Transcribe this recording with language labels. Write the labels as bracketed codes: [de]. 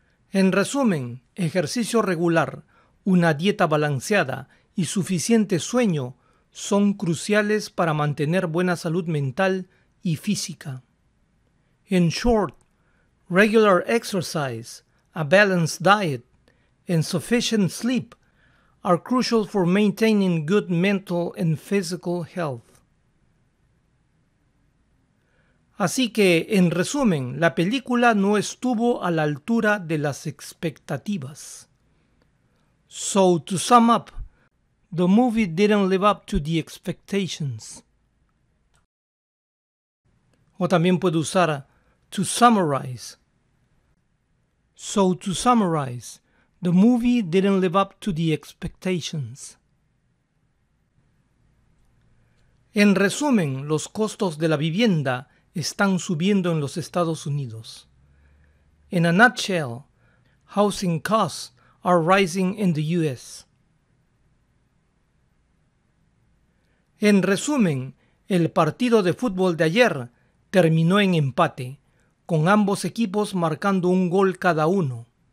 [es] En resumen, ejercicio regular, una dieta balanceada y suficiente sueño son cruciales para mantener buena salud mental y física. [en] In short, regular exercise, a balanced diet, and sufficient sleep are crucial for maintaining good mental and physical health. [es] Así que, en resumen, la película no estuvo a la altura de las expectativas. [en] So, to sum up, the movie didn't live up to the expectations. [es] O también puedo usar [en] to summarize. So to summarize, the movie didn't live up to the expectations. [es] En resumen, los costos de la vivienda están subiendo en los Estados Unidos. [en] In a nutshell, housing costs are rising in the US. [es] En resumen, el partido de fútbol de ayer terminó en empate, con ambos equipos marcando un gol cada uno.